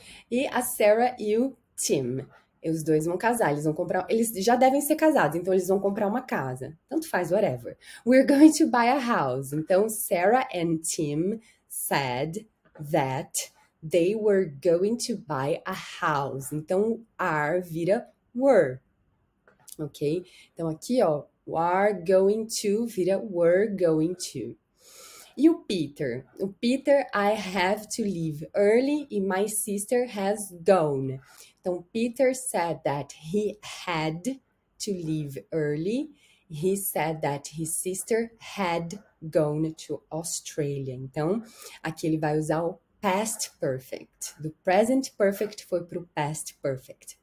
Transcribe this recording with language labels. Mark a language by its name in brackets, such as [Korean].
[Portuguese] E a Sarah e o Tim, e os dois vão casar, eles vão comprar, eles já devem ser casados, então eles vão comprar uma casa. Tanto faz, [English] whatever. We're going to buy a house. Então, Sarah and Tim said that they were going to buy a house. [Portuguese] Então, are vira were. Ok? Então, aqui, ó, are going to vira were going to. E o Peter? [English] O Peter, I have to leave early and my sister has gone. Então, Peter said that he had to leave early. He said that his sister had gone to Australia. [Portuguese] Então, aqui ele vai usar o past perfect. Do present perfect foi para o past perfect.